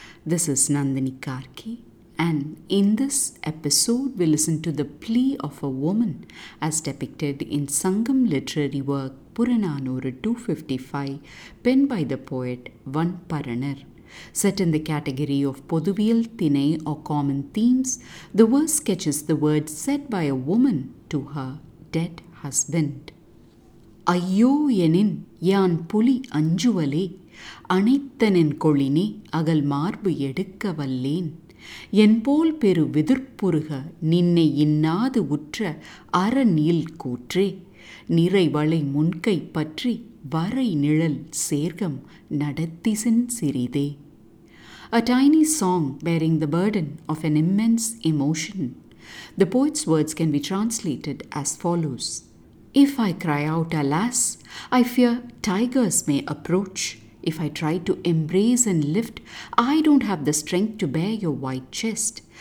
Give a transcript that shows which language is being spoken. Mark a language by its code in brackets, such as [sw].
[en] This is Nandini Karki, and in this episode we listen to the plea of a woman as depicted in Sangam literary work Puranaanooru 255, penned by the poet Vanparanar. Set in the category of Pothuviyal Thinai or common themes, the verse sketches the words said by a woman to her dead husband. [ta] ஐயோ எனின் யான் புலி அஞ்சுவலே அனைத்தனின் கொழினே அகல் மார்பு எடுக்க வல்லேன் என் போல் பெரு விதிர்ப்புருக நின்னை இன்னாது உற்ற அறநீள் கூற்றே நிறைவளை முன்கை பற்றி வரை நிழல் சேர்கம் நடத்திசின் சிறிதே. [en] A tiny song bearing the burden of an immense emotion. The poet's words can be translated as follows. If I cry out, alas, I fear tigers may approach. If I try to embrace and lift, I don't have the strength to bear your white chest.